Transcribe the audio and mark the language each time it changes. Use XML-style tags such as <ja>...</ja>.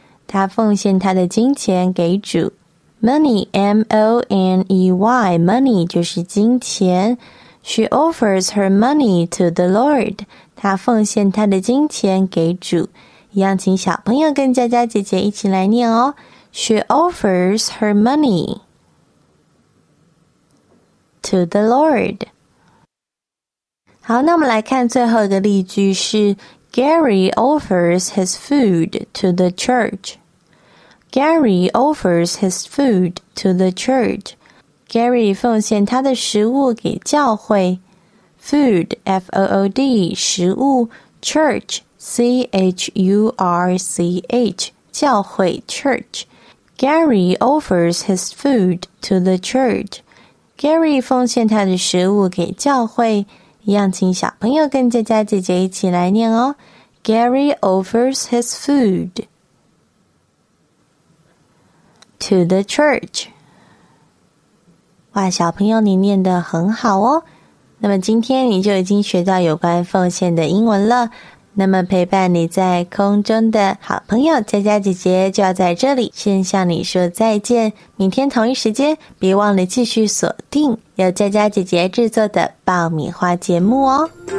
<zh>她奉献她的金钱给主 Money, M-O-N-E-Y Money 就是金钱</zh> <en>She offers her money to the Lord</en> <zh>她奉献她的金钱给主一样请小朋友跟佳佳姐姐一起来念哦 She offers her moneyTo the Lord. 好那我们来看最后一个例句是</zh> <en>Gary offers his food to the church. Gary offers his food to the church.</en> <zh>Gary 奉献他的食物给教会 Food, F-O-O-D, 食物 Church, C-H-U-R-C-H, 教会 Church.</zh> <en>Gary offers his food to the church.</en> <zh>Gary 奉献他的食物给教会，一样请小朋友跟佳佳姐姐一起来念哦。</zh> <en>Gary offers his food to the church.</en> <zh>哇，小朋友你念得很好哦。那么今天你就已经学到有关奉献的英文了。那么陪伴你在空中的好朋友佳佳姐姐就要在这里先向你说再见。明天同一时间，别忘了继续锁定由佳佳姐姐制作的爆米花节目哦。</zh>